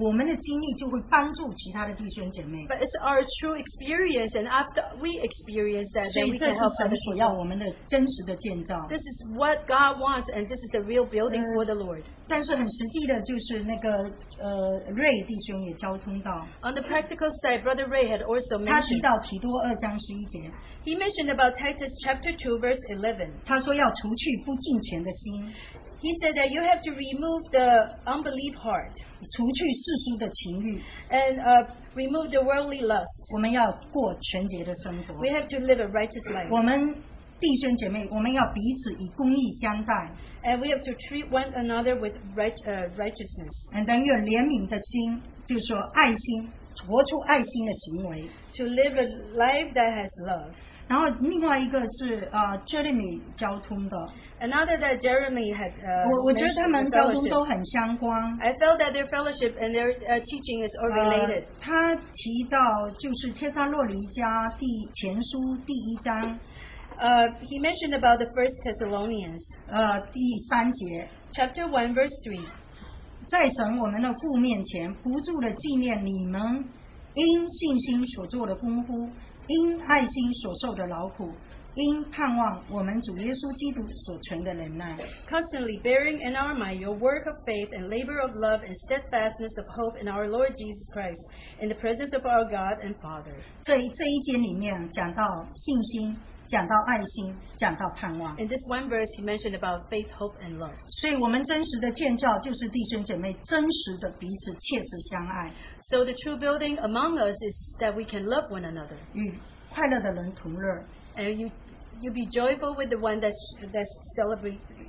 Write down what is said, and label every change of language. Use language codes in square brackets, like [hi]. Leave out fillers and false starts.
[zh] 但是我们是实际的，我们经历了，我们的经历就会帮助其他的弟兄姐妹。 [en] But it's our true experience, and after we experience that, then we can help other people. [zh] 所以这是神所要我们的真实的建造。 [en] This is what God wants, and this is the real building for the Lord. [zh] 但是很实际的就是那个瑞弟兄也交通到。 [en] On the practical side, Brother Ray had also mentioned. [zh] 他提到提多二章十一节。 [en] He mentioned about Titus chapter 2, verse 11. [zh] 他说要除去不敬虔的心。 [en] He said that you have to remove the unbelief heart. [zh] 除去世俗的情欲, [en] and remove the worldly lust. [zh] 我们要过纯洁的生活, [en] we have to live a righteous life. [zh] 我们弟兄姐妹, 我们要彼此以公义相待, [en] and we have to treat one another with righteousness. And then [zh] 愿怜悯的心, 就是说爱心, 活出爱心的行为, [en] to live a life that has love. [zh] 然后另外一个是 Jeremy交通的, [en] another that Jeremy had [zh] 我觉得他们交通都很相关。 [en] I felt that their fellowship and their teaching is all related. [zh] 他提到就是帖撒罗尼迦前书第一章, [en] he mentioned about the first Thessalonians, [zh] 第三节, [en] chapter 1 verse 3, [zh] 在神我们的父面前不住地纪念你们因信心所做的功夫, 因爱心所受的劳苦, 因盼望我们主耶稣基督所存的忍耐。 [en] Constantly bearing in our mind your work of faith and labor of love and steadfastness of hope in our Lord Jesus Christ in the presence of our God and Father. [zh] 这一节里面讲到信心，讲到爱心，讲到盼望。 [en] In this one verse, he mentioned about faith, hope, and love. [zh] 所以我们真实的建造就是弟兄姐妹真实的彼此切实相爱。 [en] So the true building among us is that we can love one another. [zh] 与快乐的人同乐。 [en] And you be joyful with the one that's celebrating